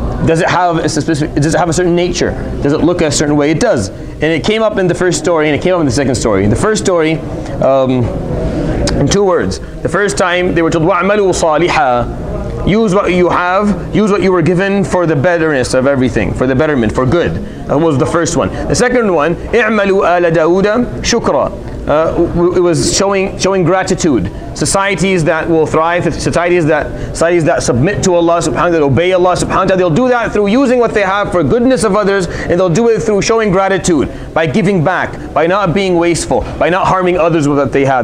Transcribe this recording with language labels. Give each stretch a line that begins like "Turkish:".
English: Does it have a certain nature? Does it look a certain way? It does. And it came up in the first story, and it came up in the second story. In the first story, in two words, the first time they were told,
Arabic: وَعْمَلُوا صَالِحًا,
English: use what you have, use what you were given for the betterness of everything, for the betterment, for good. That was the first one. The second one,
Arabic: اِعْمَلُوا آلَ دَاوُدَ شُكْرًا.
English: It was showing gratitude. Societies that will thrive, societies that submit to Allah Subhanahu wa Ta'ala, that obey Allah Subhanahu wa Ta'ala, they'll do that through using what they have for goodness of others, and they'll do it through showing gratitude, by giving back, by not being wasteful, by not harming others with what they have.